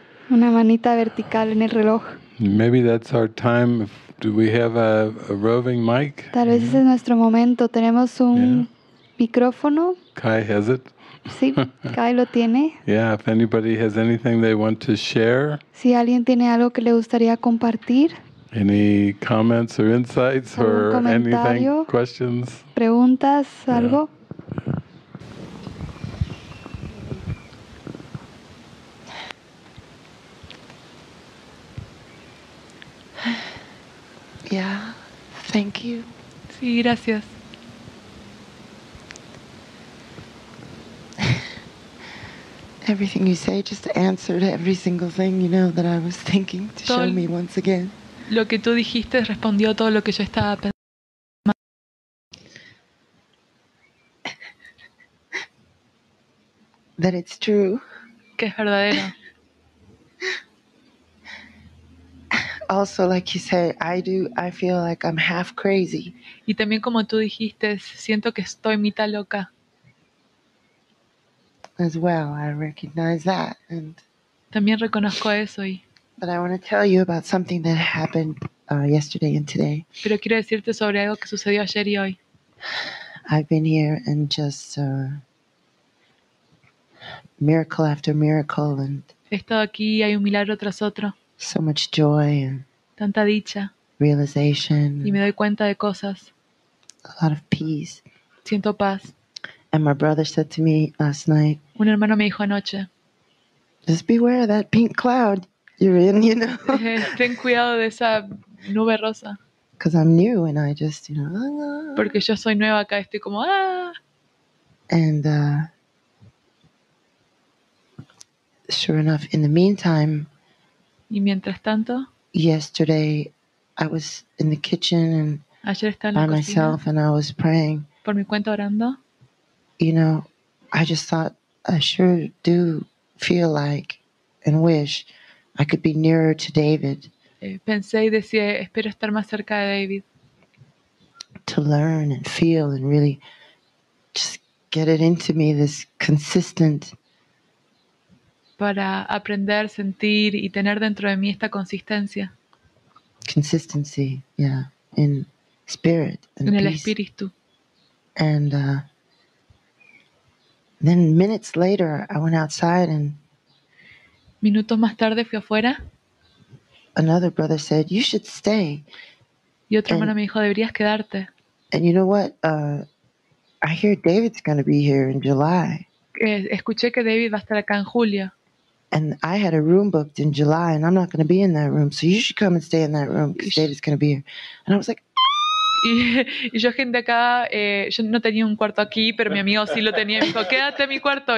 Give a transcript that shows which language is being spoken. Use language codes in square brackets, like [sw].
[es] Una manita vertical en el reloj. [en] Maybe that's our time. Do we have a roving mic? [es] Tal vez ese es nuestro momento. Tenemos un micrófono. [en] Kai has it. [es] Sí, Kai lo tiene. [en] Yeah, if anybody has anything they want to share. [es] Si alguien tiene algo que le gustaría compartir. [en] Any comments or insights or anything, questions. [es] Preguntas, algo. [en] Yeah, thank you. [es] Sí, gracias. [en] Everything you say just answered every single thing, you know, that I was thinking to show me once again. [es] Lo que tú dijiste respondió todo lo que yo estaba pensando. [en] That it's true. [es] Que es verdadero. [en] Also, like you say, I do, I feel like I'm half crazy. [es] Y también como tú dijiste, siento que estoy mitad loca. [en] As well, I recognize that. And [es] también reconozco eso. Y, [en] but I want to tell you about something that happened yesterday and today. [es] Pero quiero decirte sobre algo que sucedió ayer y hoy. [en] I've been here and just miracle after miracle, and [es] he estado aquí y hay un milagro tras otro. [en] So much joy and [es] tanta dicha. [en] Realization. [es] Y me doy cuenta de cosas. [en] A lot of peace. [es] Siento paz. [en] And my brother said to me last night. [es] Un hermano me dijo anoche. [en] Just beware of that pink cloud you're in, you know. [es] Ten cuidado de esa nube rosa. [en] Because I'm new and I just, you know. [es] Porque yo soy nueva acá, estoy como [en] And sure enough, in the meantime. [es] Y mientras tanto. [en] Yesterday, I was in the kitchen and [es] ayer estaba en [en] by [es] la cocina, [en] myself and I was praying. [es] Por mi cuenta orando. [en] You know, I just thought, I sure do feel like and wish I could be nearer to David. [es] Pensé y decía, espero estar más cerca de David. [en] To learn and feel and really just get it into me, this consistent. [es] Para aprender, sentir y tener dentro de mí esta consistencia. [en] Consistency, yeah, in spirit and [es] en el [en] peace. [es] Espíritu. [en] And, then minutes later, I went outside and. [es] Minutos más tarde fui afuera. [en] Another brother said, "You should stay." [es] Y otro hermano me dijo, "Deberías quedarte." [en] And you know what? I hear David's going to be here in July. [es] Escuché que David va a estar acá en julio. [en] And I had a room booked in July, and I'm not going to be in that room. So you should come and stay in that room because David's going to be here. And I was like. [es] Y yo gente acá, yo no tenía un cuarto aquí, pero mi amigo sí lo tenía. Y me dijo, quédate en mi cuarto.